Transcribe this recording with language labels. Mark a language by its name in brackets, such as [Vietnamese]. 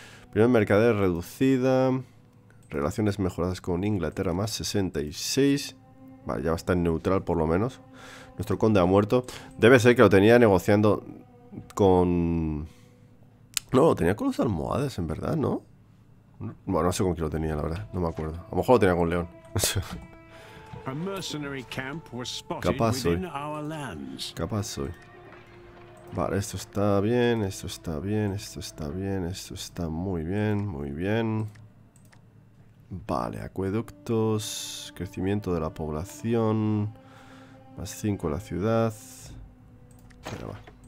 [Spanish] Primer mercader reducida. Relaciones mejoradas con Inglaterra más 66. Vale, ya va a estar neutral por lo menos. Nuestro conde ha muerto. Debe ser que lo tenía negociando con. No, lo tenía con los almohades, en verdad, ¿no? Bueno, no sé con quién lo tenía, la verdad. No me acuerdo. A lo mejor lo tenía con León. [English] A mercenary camp was spotted within our lands. [Spanish] Capaz soy. Vale, esto está bien, esto está bien, esto está bien, esto está muy bien, muy bien. Vale, acueductos, crecimiento de la población, más 5 la ciudad. Pero va.